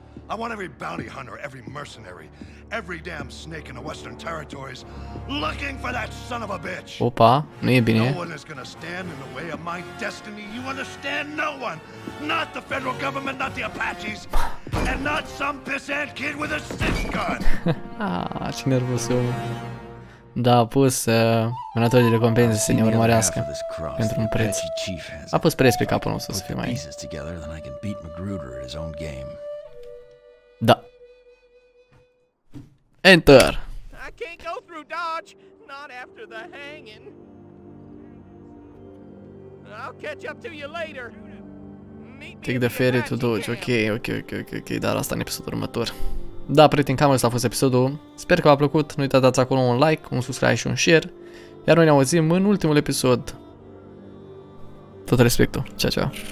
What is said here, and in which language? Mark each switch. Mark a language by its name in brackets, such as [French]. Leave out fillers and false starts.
[English] I want every bounty hunter, every mercenary, every damn snake in the Western Territories looking for that son of a bitch. [Romanian] Opa, nu e bine. [English] No one is gonna stand in the way of my destiny. You understand? No one. Not the federal government, not the Apaches, and not some pissant kid with a cinch gun. [Romanian] Ah, ce nervos eu. Da, a pus vânătorii de recompense să ne urmărească pentru un preț. A pus preț pe capul nostru să fie mai. [English] Together, then I can beat Magruder at his own game. Da. Enter. I can't go through Dodge, not after the hanging. I'll catch up to you later. Take the ferry to Dodge. [Romanian] Ok, dar asta în episodul următor. Da, prieteni, cam ăsta a fost episodul. Sper că v-a plăcut. Nu uitați dați acolo un like, un subscribe și un share. Iar noi ne auzim în ultimul episod. Tot respectul. Ciao.